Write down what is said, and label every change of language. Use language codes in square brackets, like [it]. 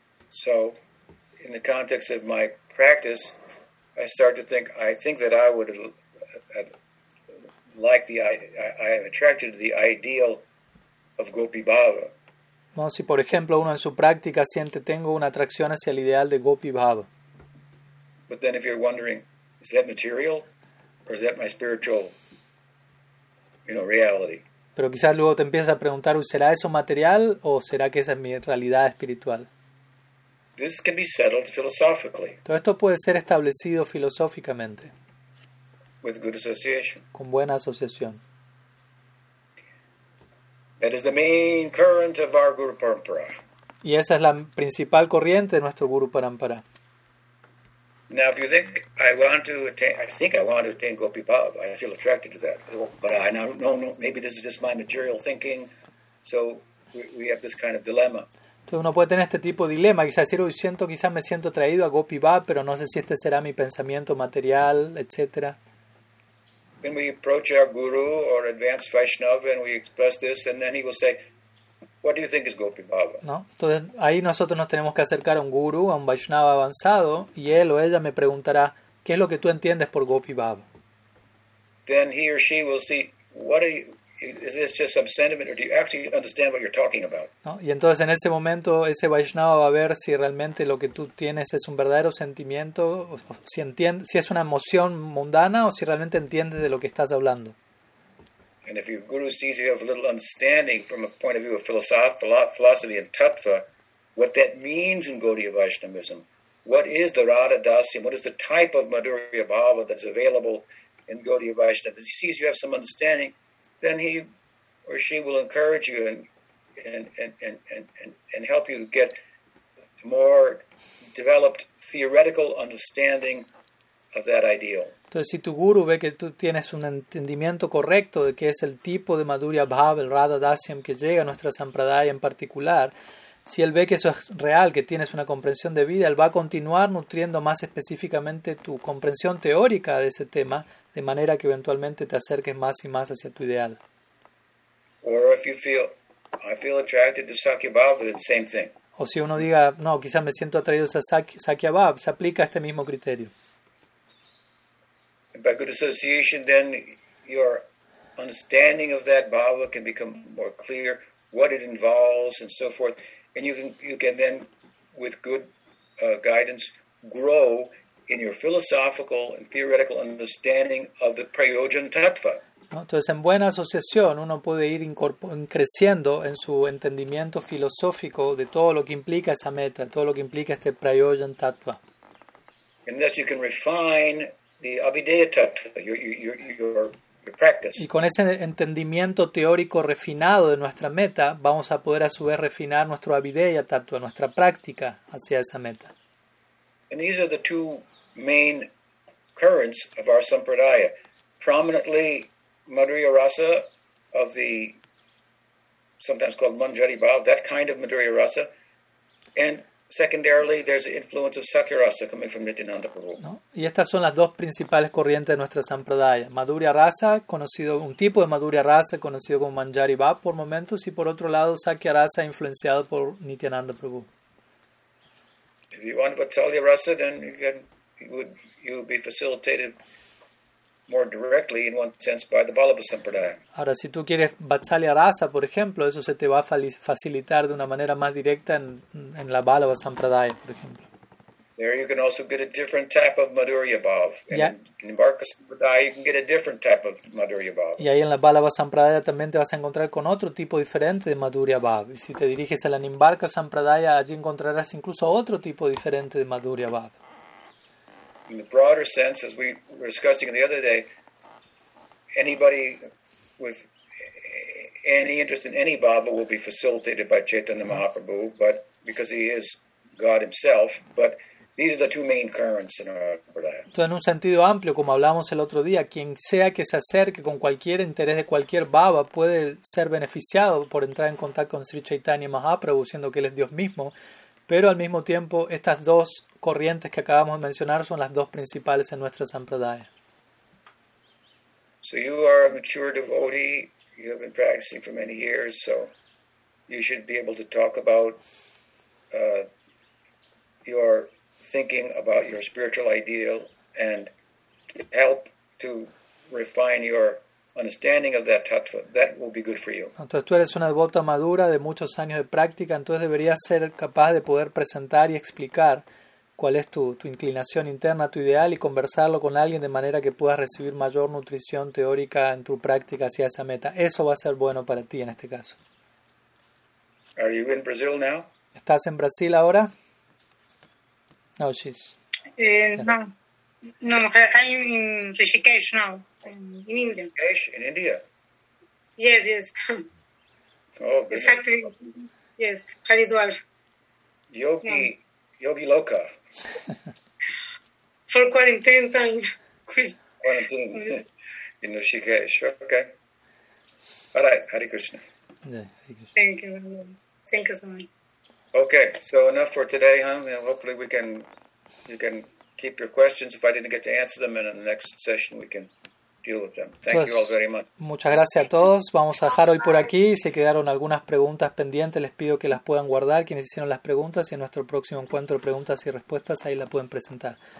[en] So, in the context of my practice, I start to think, I think that I would like the, I am attracted to the ideal of Gopi Bhava. [es] No, si por ejemplo uno en su práctica siente tengo una atracción hacia el ideal de Gopi Bhava. [en] But then if you're wondering, is that material or is that my spiritual, you know, reality? [es] Pero quizás luego te empiezas a preguntar, ¿será eso material o será que esa es mi realidad espiritual? [en] This can be settled philosophically. [es] Todo esto puede ser establecido filosóficamente. [en] With good association. [es] Con buena asociación. [en] That is the main current of our Guru Parampara. [es] Y esa es la principal corriente de nuestro Guru Parampara. [en] Now, if you think I think I want to attain Gopi Bhava, I feel attracted to that. But I now know, no, maybe this is just my material thinking. So we have this kind of dilemma. [es] Entonces uno puede tener este tipo de dilema. Quizás decir, siento, quizás me siento atraído a Gopi Bhava, pero no sé si este será mi pensamiento material, etc. [en] Then we approach our guru or advanced Vaishnava and we express this, and then he will say, "What do you think is Gopi Bhava?" [es] No, entonces ahí nosotros nos tenemos que acercar a un guru, a un Vaishnava avanzado, y él o ella me preguntará, ¿qué es lo que tú entiendes por Gopi Bhava? [en] Then he or she will see, "What are you, is this just some sentiment, or do you actually understand what you're talking about?" [es] No, y entonces en ese momento ese Vaishnava va a ver si realmente lo que tú tienes es un verdadero sentimiento, o si entiende, si es una emoción mundana o si realmente entiendes de lo que estás hablando. [en] And if your guru sees you have a little understanding from a point of view of philosophy and tattva, what that means in Gaudiya Vaishnavism, what is the Radha Dasya, what is the type of Madhurya Bhava that's available in Gaudiya Vaishnavism, if he sees you have some understanding, then he or she will encourage you and help you get more developed theoretical understanding of that ideal. [es] Entonces, si tu guru ve que tú tienes un entendimiento correcto de qué es el tipo de Madhurya Bhava, el Radha Dasyam que llega a nuestra Sampradaya en particular, si él ve que eso es real, que tienes una comprensión de vida, él va a continuar nutriendo más específicamente tu comprensión teórica de ese tema, de manera que eventualmente te acerques más y más hacia tu ideal. [en] Or if you feel, I feel attracted to Sakya Bhava, then same thing. [es] O si uno diga, no, quizás me siento atraído a Sakya Bhava, se aplica este mismo criterio. [en] By good association, then your understanding of that bhava can become more clear, what it involves, and so forth. And you can then, with good guidance, grow in your philosophical and theoretical understanding of the prayojan tattva. [es] Entonces, en buena asociación, uno puede ir creciendo en su entendimiento filosófico de todo lo que implica esa meta, todo lo que implica este prayojan tattva. [en] And thus you can refine the Abhidaya Tattva, your practice. [es] Y con ese entendimiento teórico refinado de nuestra meta, vamos a poder a su vez refinar nuestro Abhidaya Tattva, nuestra práctica hacia esa meta. [en] And these are the two main currents of our Sampradaya. Prominently, Madhurya Rasa of the, sometimes called Manjari Bhava, that kind of Madhurya Rasa. And secondarily, there's the influence of Sakya Rasa coming from Nityananda Prabhu. [es] ¿No? Y estas son las dos principales corrientes de nuestra Sampradaya. Madhurya Rasa, conocido, un tipo de Madhurya Rasa conocido como Manjari Bhava por momentos, y por otro lado, Sakya Rasa influenciado por Nityananda Prabhu. [en] If you want Vatsalya Rasa, then you would be facilitated more directly, in one sense, by the Balabha Sampradaya. [es] Ahora, si tú quieres Vatsalya Rasa, por ejemplo, eso se te va a facilitar de una manera más directa en la Balabha Sampradaya, por ejemplo. [en] There you can also get a different type of Madhurya Bhava. In Barka Sampradaya, you can get a different type of Madhurya Bhava. [es] Y ahí en la Balabha Sampradaya también te vas a encontrar con otro tipo diferente de Madhurya Bhava. Y si te diriges a la Nimbarka Sampradaya, allí encontrarás incluso otro tipo diferente de Madhurya Bhava. [en] in the broader sense, as we were discussing the other day, anybody with any interest in any bhava will be facilitated by Chaitanya Mahaprabhu, but because he is God himself, but these are the two main currents in our Pradaya. [es] Entonces, en un sentido amplio, como hablamos el otro día, quien sea que se acerque con cualquier interés de cualquier bhava puede ser beneficiado por entrar en contacto con Sri Chaitanya Mahaprabhu, siendo que él es Dios mismo, pero al mismo tiempo estas dos corrientes que acabamos de mencionar son las dos principales en nuestra Sampradaya. [en] So you are a mature devotee, you have been practicing for many years, so you should be able to talk about your thinking about your spiritual ideal and to help to refine your understanding of that tattva. That will be good for you. [es] Entonces tú eres una devota madura de muchos años de práctica, entonces deberías ser capaz de poder presentar y explicar cuál es tu inclinación interna, tu ideal, y conversarlo con alguien de manera que puedas recibir mayor nutrición teórica en tu práctica hacia esa meta. Eso va a ser bueno para ti en este caso. [en] Are you in Brazil now? [es] ¿Estás en Brasil ahora? [en] No, she's... No, I'm in Rishikesh now, in India. Rishikesh, in India? Yes, yes. Oh, exactly. Yes, Haridwar. Yogi Loka. For quarantine time. Quarantine. In Rishikesh, okay. All right, Hare Krishna. Thank you so much. Okay, so enough for today, huh? And hopefully we can... You can keep your questions if I didn't get to answer them, and in the next session we can deal with them. Thank you all very much. [es] Muchas gracias a todos. Vamos a dejar hoy por aquí. Si quedaron algunas preguntas pendientes, les pido que las puedan guardar, quienes hicieron las preguntas, y en nuestro próximo encuentro de preguntas y respuestas, ahí la pueden presentar.